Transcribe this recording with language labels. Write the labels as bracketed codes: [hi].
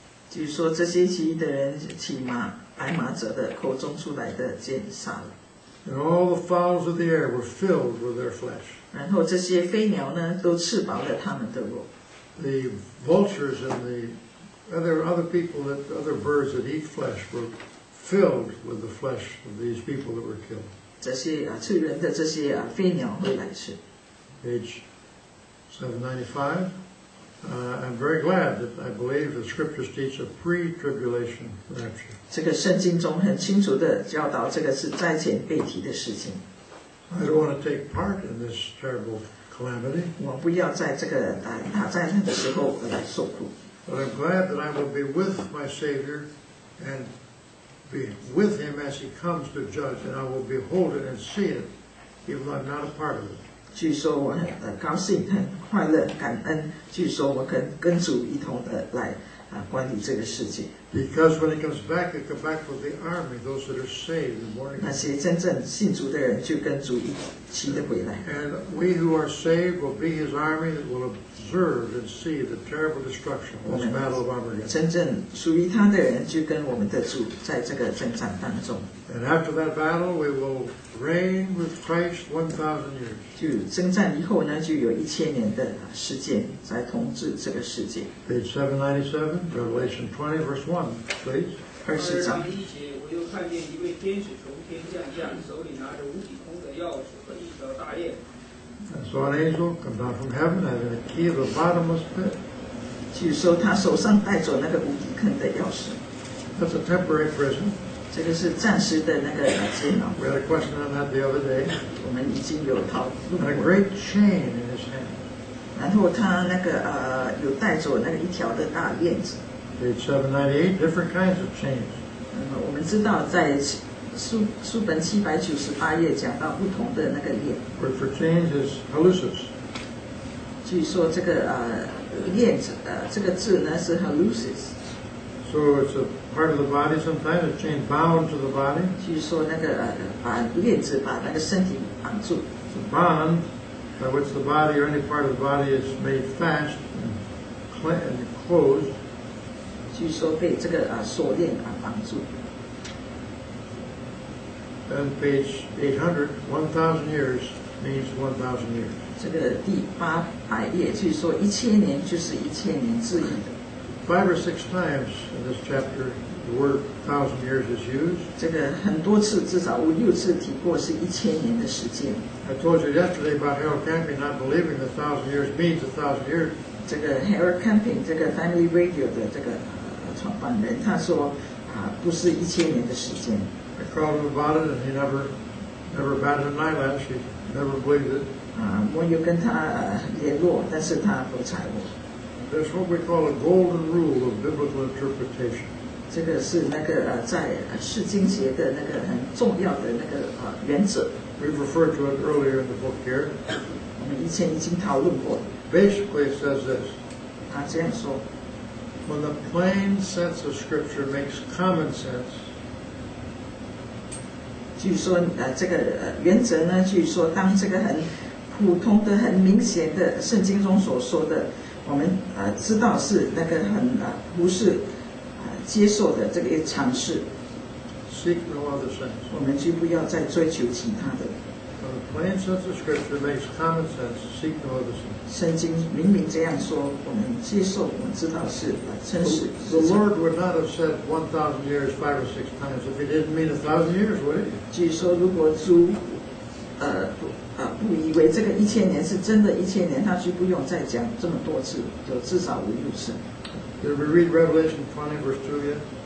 [zh] 据说这些其余的人骑马白马者的口中出来的剑杀了。 [en] And all the fowls of the air were filled with their flesh. [zh] 然后这些飞鸟呢，都吃饱了他们的肉。 [en] The vultures and the other birds that eat flesh were filled with the flesh of these people that were killed. [zh] 这些吃人的这些飞鸟会来吃。 [en] Page 795. I'm very glad that I believe the scriptures teach a pre-tribulation rapture. [zh] 这个圣经中很清楚地教导这个是灾前被提的事情。 [en] I don't want to take part in this terrible calamity. [zh] 我不要在这个大灾难的时候来受苦。 [en] But I'm glad that I will be with my Savior and be with him as he comes to judge, and I will behold it and see it, even though I'm not a part of it. [zh] 据说我很高兴，很快乐，感恩。据说我可跟主一同的来管理这个世界。 [en] Because when he comes back, he comes back with the army, those that are saved in the morning. [zh] 那些真正信主的人就跟主一起的回来。 [en] And we who are saved will be his army that will observe and see the terrible destruction of this battle of Armageddon. [zh] 真正属于他的人就跟我们的主在这个征战当中。 [en] And after that battle, we will reign with Christ 1,000 years. [zh] 就征战以后呢，就有一千年的时间在统治这个世界。 [en] Page 797, Revelation 20:1, please. [zh] 20章。第一节，我又看见一位天使从天降下，手里拿着无底空的钥匙和一条大链。 [en] I saw an angel come down from heaven having a key of the bottomless pit. [zh] 据说他手上带着那个无底坑的钥匙。 [en] That's a temporary prison. [zh] 这个是暂时的那个监牢。 [en] We had a question on that the other day. [zh] 我们已经有讨论过。 [en] And a great chain in his hand. [zh] 然后他那个有带着那个一条的大链子。 [en] Page 798, different kinds of chains. [zh] 我们知道在书本798页讲到不同的那个链。 [en] Word for chains is halusis. [zh] 据说这个链子这个字呢是 halusis。 [en] So it's a part of the body sometimes, a chain bound to the body. [zh] 据说那个把链子把那个身体绑住。 [en] It's a bond by which the body or any part of the body is made fast and closed. [zh] 据说被这个锁链绑住。 [en] And page 800, 1,000 years means 1,000 years. [zh] 这个第800页，据说一千年就是一千年字义的。 [en] Five or six times in this chapter, the word 1,000 years is used. [zh] 这个很多次，至少5-6次提过是一千年的时间。 [en] I told you yesterday about Harold Camping not believing the 1,000 years means 1,000 years. [zh] 这个 Harold Camping 这个 Family Radio 的这个创办人，他说不是一千年的时间。 [en] I called him about it, and he never batted an eyelash. He never believed it. [zh] 我有跟他联络，但是他不睬我。 [en] There's what we call a golden rule of biblical interpretation. [zh] 这个是那个在释经节的那个很重要的那个原则。 [en] We've referred to it earlier in the book here. [zh] 我们以前已经讨论过。 [en] Basically, it says this. [zh] 他这样说。 [en] When the plain sense of Scripture makes common sense. [zh] 据说这个原则呢，据说当这个很普通的、很明显的圣经中所说的。我们知道是那个很不是接受的这个尝试。 [en] Seek no other sense. [zh] 我们就不要再追求其他的。 [en] The plain sense of Scripture makes common sense. Seek no other sense. [zh] 圣经明明这样说，我们接受，我们知道是真实。 [en] The Lord would not have said 1,000 years 5 or 6 times if He didn't mean 1,000 years, would He? [zh] 据说如果主不以为这个一千年是真的一千年，他就不用再讲这么多次，就至少5、6次。 [en] Did we read Revelation 20 verse 2 yet?